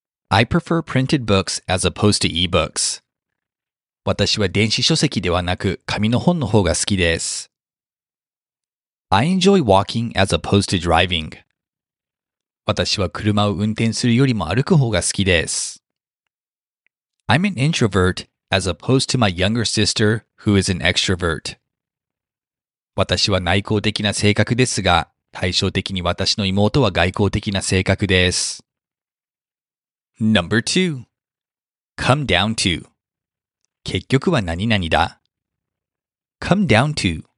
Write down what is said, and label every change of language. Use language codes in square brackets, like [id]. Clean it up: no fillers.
[en] I prefer printed books as opposed to e-books. [ja] 私は電子書籍ではなく紙の本の方が好きです。 [en] I enjoy walking as opposed to driving. [ja] 私は車を運転するよりも歩く方が好きです。 [en] I'm an introvert as opposed to my younger sister who is an extrovert. [ja] 私は内向的な性格ですが、対照的に私の妹は外向的な性格です。 [en] Number 2. Come down to. 結局は何々だ。 Come down to.